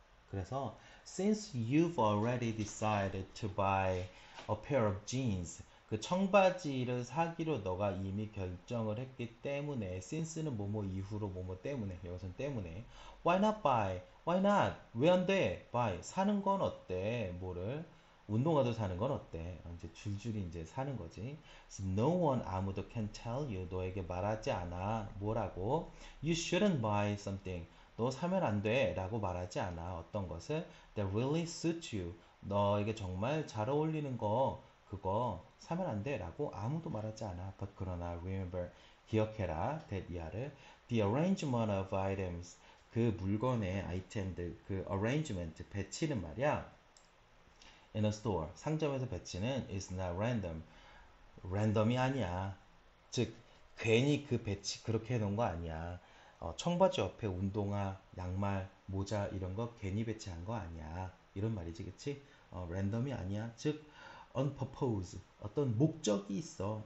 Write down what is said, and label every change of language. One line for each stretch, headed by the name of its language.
Korean: 그래서
English: since you've already decided to buy a pair of jeans
Korean: 그 청바지를 사기로 너가 이미 결정을 했기 때문에 since는 뭐뭐 이후로 뭐뭐 때문에 여기서는 때문에
English: why not buy
Korean: why not 왜안 돼? buy 사는 건 어때 뭐를 운동화도 사는 건 어때? 이제 줄줄이 이제 사는 거지.
English: So no one,
Korean: 아무도
English: can tell you.
Korean: 너에게 말하지 않아. 뭐라고?
English: You shouldn't buy something.
Korean: 너 사면 안 돼. 라고 말하지 않아. 어떤 것을?
English: That really suits you.
Korean: 너에게 정말 잘 어울리는 거. 그거 사면 안 돼. 라고 아무도 말하지 않아.
English: But
Korean: 그러나,
English: remember.
Korean: 기억해라. That 이하를.
English: The arrangement of items.
Korean: 그 물건의 아이템들. 그 arrangement. 배치는 말이야.
English: In a store,
Korean: 상점에서 배치는
English: is not random.
Korean: Random이 아니야. 즉, 괜히 그 배치 그렇게 해놓은 거 아니야. 청바지 옆에 운동화, 양말, 모자 이런 거 괜히 배치한 거 아니야. 이런 말이지, 그치? Random이 아니야. 즉,
English: on purpose,
Korean: 어떤 목적이 있어.